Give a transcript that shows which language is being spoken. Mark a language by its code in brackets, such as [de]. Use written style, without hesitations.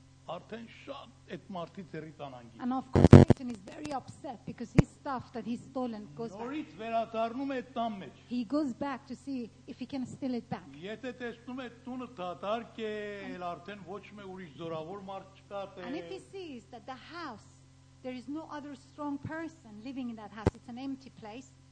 [hy] արդեն շատ այդ մարդի ձեռի տանանքի։ [en] And of course Satan is very upset because his stuff that he stolen goes back. [hy] Նորից վերադառնում է տան մեջ։ [en] He goes back to see if he can steal it back. [hy] Եթե տեսնում է տունը դատարկ է, լ արդեն ոչ մի ուրիշ զորավոր մարդ չկա տեղ։ [en] And if he sees that the house, there is no other strong person living in that house, it's an empty place.